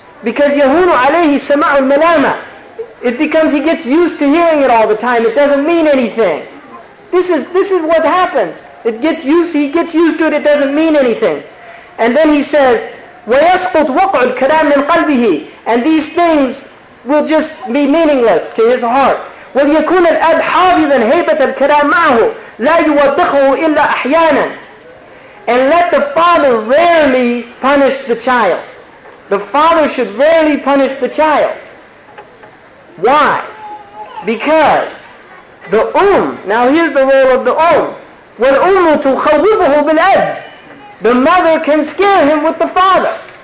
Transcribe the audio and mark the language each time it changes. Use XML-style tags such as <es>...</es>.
<en>Because</en> <ar>يَهُونُ عَلَيْهِ سَمَعُ الْمَلَامَةِ</ar> <en>it becomes, he gets used to hearing it all the time. It doesn't mean anything. This is what happens. He gets used to it. It doesn't mean anything. And then he says,</en> <ar>وَيَسْقُطْ وَقْعُ الْكَلَامِ مِنْ قَلْبِهِ</ar> <en>and these things will just be meaningless to his heart.</en> <ar>وَلْيَكُونَ الْأَبْ حَافِظًا هَيْبَةَ الْكَلَامِ مَعْهُ لَا يُوَضِّخُهُ إِلَّا أَحْيَانًا</ar> <en>and let the father rarely punish the child. The father should rarely punish the child. Why? Because the now here's the role of the</en> <ar>وَالْأُمُّ تُخَوِّفُهُ بِالْأَبِ</ar> <en>the mother can scare him with the father.</en>